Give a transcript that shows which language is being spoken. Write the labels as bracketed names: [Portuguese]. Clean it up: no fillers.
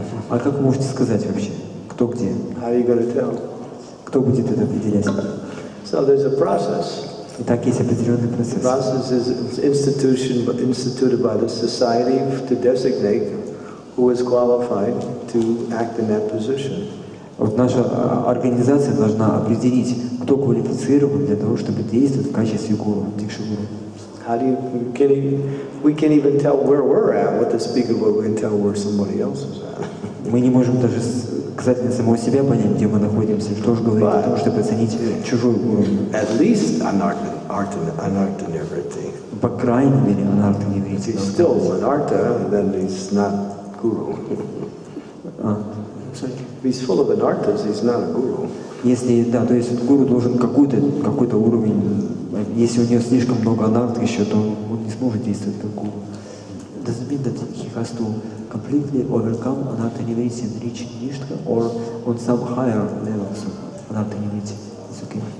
[Russian] А как вы можете сказать вообще, кто где? [English] How are you going to tell? [Russian] Кто будет это определять? [English] So there's a process. [Russian] Итак, есть определенный процесс. [English] The process is institution instituted by the society to designate who is qualified to act in that position. [Russian] Вот наша организация должна определить, кто квалифицирован для того, чтобы действовать в качестве гуру, дикшигуру. [English] How do you, can you, we can't even tell where we're at with the speaker, but we can tell where somebody else is at. [Russian] Мы не можем даже касательно самого себя понять, где мы находимся, что же говорить о том, чтобы оценить чужую гуру. [English] At least anartha nivritti. [Russian] По крайней мере, anartha nivritti. [English] If he's still anartha, then he's not guru. He's full of anarthas, he's not a guru. [Russian] Если, да, то есть гуру должен какой-то уровень, если у него слишком много анарт еще, то он не сможет действовать как гуру. [English] Does it mean that he has to completely overcome anartha nivritti and reach nishtha or on some higher levels of anartha nivritti? It's okay.